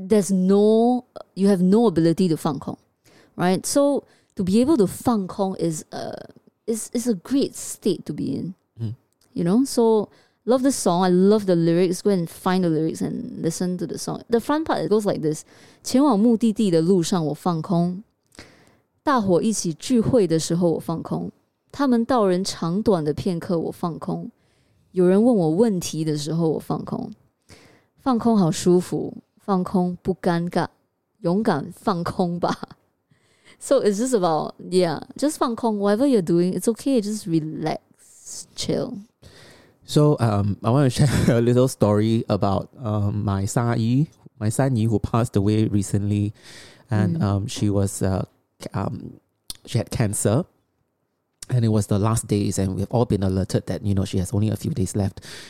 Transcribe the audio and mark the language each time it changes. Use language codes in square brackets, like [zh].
[en] You have no ability to fang kong, right? So to be able to fang kong is a great state to be in, you know? So love the song. I love the lyrics. Go and find the lyrics and listen to the song. The fun part, it goes like this. [zh] 前往目的地的路上我放空, 大伙一起聚会的时候我放空, 他们道人长短的片刻我放空, 有人问我问题的时候我放空, 放空好舒服, 放空不尴尬, 勇敢放空吧。 [en] So it's just about, yeah, just 放空, whatever you're doing, it's okay, just relax, chill. So I want to share a little story about my San Yi, who passed away recently, and she was she had cancer, and it was the last days, and we've all been alerted that, you know, she has only a few days left.